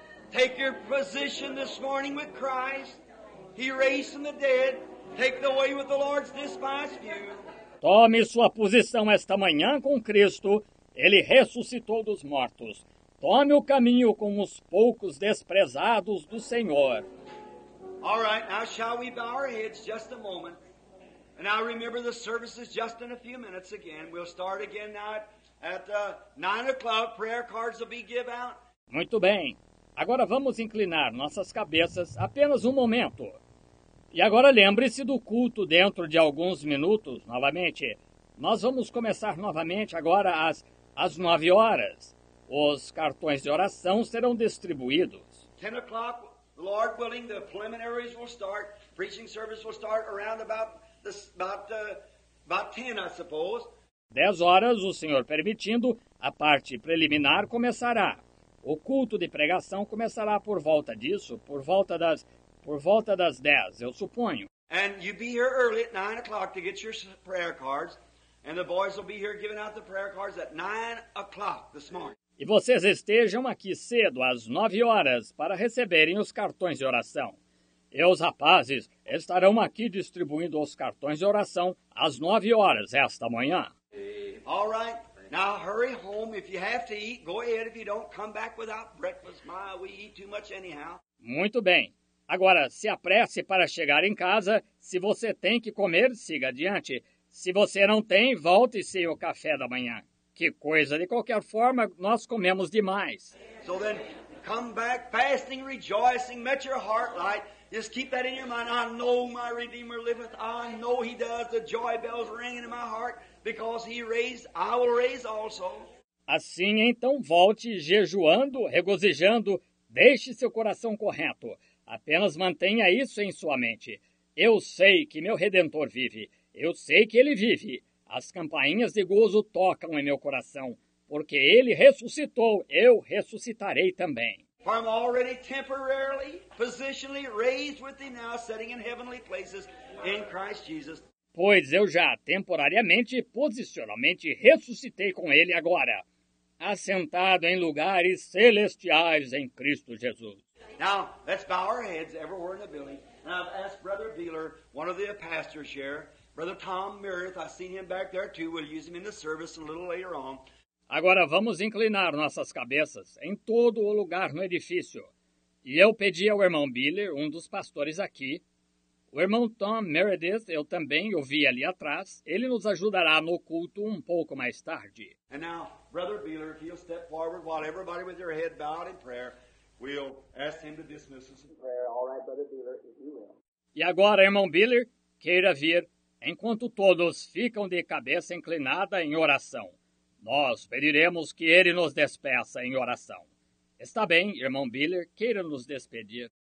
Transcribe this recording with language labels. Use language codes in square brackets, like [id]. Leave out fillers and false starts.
[en] Take your position this morning with Christ. He raised from the dead. Take the way with the Lord's despised you. [pt] Tome sua posição esta manhã com Cristo. Ele ressuscitou dos mortos. Tome o caminho com os poucos desprezados do Senhor. [en] All right, now shall we bow our heads just a moment. And now remember the service is just in a few minutes again. We'll start again now at 9 o'clock, prayer cards will be given out. [pt] Muito bem. Agora vamos inclinar nossas cabeças apenas um momento. E agora lembre-se do culto dentro de alguns minutos, novamente. Nós vamos começar novamente agora às 9 horas. Os cartões de oração serão distribuídos. [en] 10 o'clock, Lord willing, the preliminaries will start. Preaching service will start around about 10, I suppose. [pt] 10 horas, o Senhor permitindo, a parte preliminar começará. O culto de pregação começará por volta disso, por volta das 10, eu suponho. [en] And you be here early at 9 o'clock to get your prayer cards, and the boys will be here giving out the prayer cards at 9 o'clock this morning. [pt] E vocês estejam aqui cedo às 9 horas para receberem os cartões de oração. E os rapazes estarão aqui distribuindo os cartões de oração às 9 horas esta manhã. [en] All right, now hurry home. If you have to eat, go ahead. If you don't, come back without breakfast. My, we eat too much anyhow. [pt] Muito bem. Agora, se apresse para chegar em casa. Se você tem que comer, siga adiante. Se você não tem, volte sem o café da manhã. Que coisa. De qualquer forma, nós comemos demais. [en] So then, come back fasting, rejoicing, met your heart light. Just keep that in your mind. I know my Redeemer liveth. I know He does. The joy bells ringing in my heart because He raised. I will raise also. [pt] Assim, então, volte jejuando, regozijando. Deixe seu coração correto. Apenas mantenha isso em sua mente. Eu sei que meu Redentor vive. Eu sei que Ele vive. As campainhas de gozo tocam em meu coração. Porque Ele ressuscitou, eu ressuscitarei também. [en] I'm already temporarily, positionally raised with Thee now, sitting in heavenly places in Christ Jesus. [pt] Pois eu já temporariamente, posicionalmente ressuscitei com Ele agora, assentado em lugares celestiais em Cristo Jesus. [en] Now, let's bow our heads everywhere in the building. And I've asked Brother Beeler, one of the pastors here, Brother Tom Meredith, I've seen him back there too, we'll use him in the service a little later on. [pt] Agora vamos inclinar nossas cabeças em todo o lugar no edifício. E eu pedi ao irmão Beeler, um dos pastores aqui, o irmão Tom Meredith, eu também o vi ali atrás, ele nos ajudará no culto um pouco mais tarde. [en] And now, Brother Beeler, if you'll step forward while everybody with your head bowed in prayer, we'll ask him to dismiss us in prayer. All right, Brother Beeler, if you will. [pt] E agora, irmão Beeler, queira vir, enquanto todos ficam de cabeça inclinada em oração. Nós pediremos que ele nos despeça em oração. Está bem, irmão Beeler, queira nos despedir.